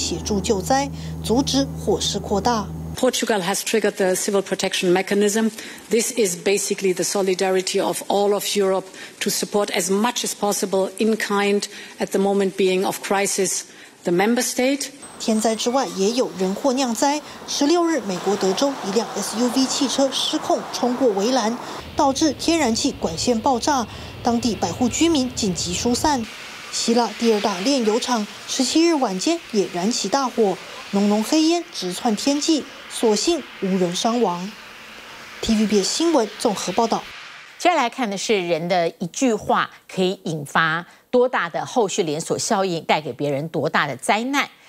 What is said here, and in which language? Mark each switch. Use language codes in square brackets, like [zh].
[zh] 葡萄牙当局已出动超过5300名消防员，欧盟与西班牙相继派出直升机协助救灾，阻止火势扩大。 [en] Portugal has triggered the civil protection mechanism. This is basically the solidarity of all of Europe to support as much as possible in kind at the moment being of crisis the member state. [zh] 天灾之外，也有人祸酿灾。16日，美国德州一辆 SUV 汽车失控冲过围栏，导致天然气管线爆炸，当地百户居民紧急疏散。希腊第二大炼油厂17日晚间也燃起大火，浓浓黑烟直窜天际，所幸无人伤亡。TVBS 新闻综合报道。接下来看的是人的一句话可以引发多大的后续连锁效应，带给别人多大的灾难。